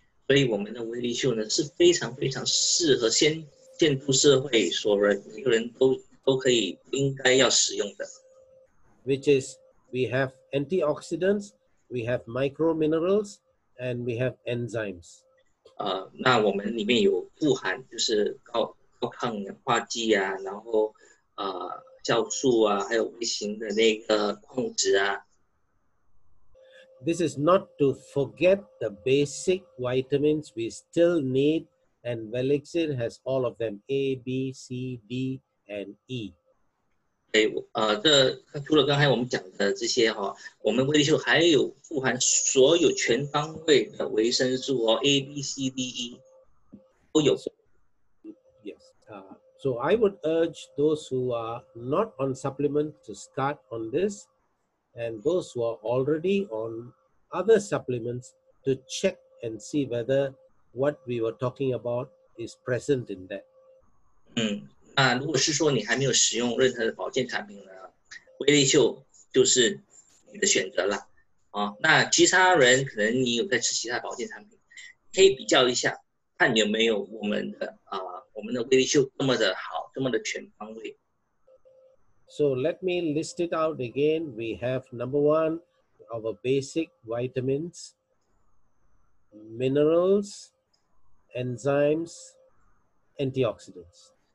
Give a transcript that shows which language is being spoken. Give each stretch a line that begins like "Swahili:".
Chinese: 所以我们的威力秀呢是非常非常适合现代社会所人每个人都可以应该要使用的
English: ，which is we have antioxidants, we have micro minerals, and we have enzymes.
Chinese: 那我们里面有富含就是高抗氧化剂啊，然后酵素啊，还有微型的那个矿物质啊。
English: This is not to forget the basic vitamins we still need, and Velixir has all of them: A, B, C, D. And E.
Chinese: 对，除了刚才我们讲的这些哈，我们威力秀还有富含所有全方位的维生素哦 ，A, B, C, D, E 都有。
English: Yes. So I would urge those who are not on supplement to start on this, and those who are already on other supplements to check and see whether what we were talking about is present in that.
Chinese: 如果是说你还没有使用任何的保健产品呢，威力秀就是你的选择了。那其他人可能你有在吃其他保健产品，可以比较一下，看有没有我们的威力秀这么的好，这么的全方位。
English: So let me list it out again. We have number one, our basic vitamins, minerals, enzymes, antioxidants.